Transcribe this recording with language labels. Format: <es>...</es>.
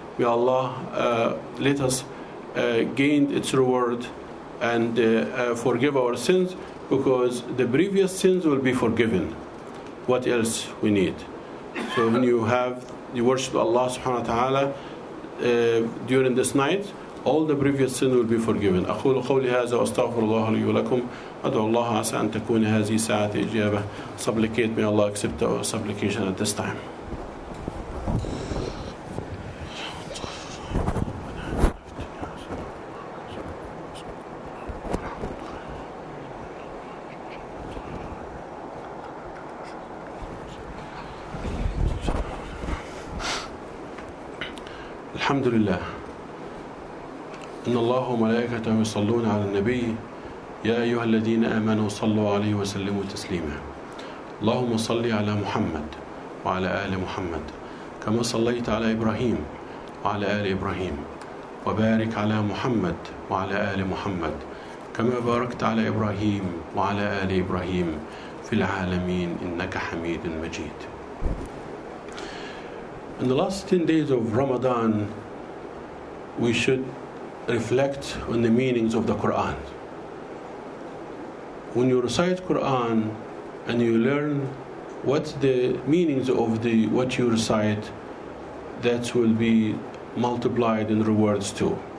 <en>May Allah let us gain its reward and forgive our sins, because the previous sins will be forgiven. What else we need? So when you worship Allah subhanahu wa ta'ala during this night, all the previous sins will be forgiven.</en> <ar>أقول قولي هذا وأستغفر الله لي ولكم أدعو الله عسى أن تكون هذه ساعة إجابة.</ar> <en>Supplicate, may Allah accept the supplication at this time.</en> <ar>الحمد لله إن الله وملائكته يصلون على النبي يا أيها الذين آمنوا صلوا عليه وسلموا تسليما اللهم صل على محمد وعلى آل محمد كما صليت على إبراهيم وعلى آل إبراهيم وبارك على محمد وعلى آل محمد كما باركت على إبراهيم وعلى آل إبراهيم في العالمين إنك حميد مجيد.</ar> <en>In the last 10 days of Ramadan, we should reflect on the meanings of the Quran. When you recite Quran and you learn what's the meanings of the what you recite, that will be multiplied in rewards too.</en>